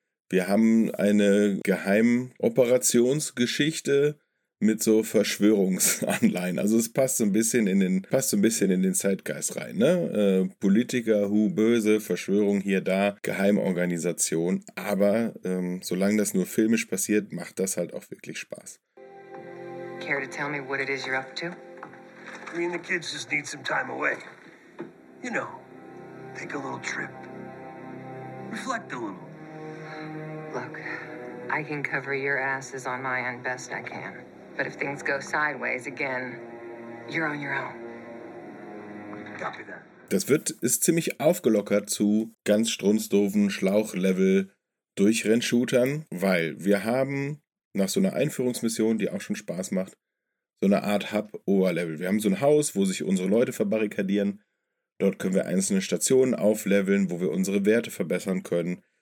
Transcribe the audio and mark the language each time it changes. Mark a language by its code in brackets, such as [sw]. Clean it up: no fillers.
[de] Wir haben eine Geheimoperationsgeschichte mit so Verschwörungsanleihen. Also es passt so ein bisschen in den Zeitgeist rein, ne? Politiker, böse, Verschwörung hier, da, Geheimorganisation. Aber solange das nur filmisch passiert, macht das halt auch wirklich Spaß. [en] Care to tell me what it is you're up to? I mean, the kids just need some time away. You know, take a little trip. Reflect a little. Look, I can cover your asses on my end best I can. But if things go sideways again, you're on your own. Copy that. [de] Ist ziemlich aufgelockert zu ganz strunzdoofen Schlauchlevel-Durchrennshootern, weil wir haben nach so einer Einführungsmission, die auch schon Spaß macht, so eine Art Hub-Oberlevel. Wir haben so ein Haus, wo sich unsere Leute verbarrikadieren. Dort können wir einzelne Stationen aufleveln, wo wir unsere Werte verbessern können.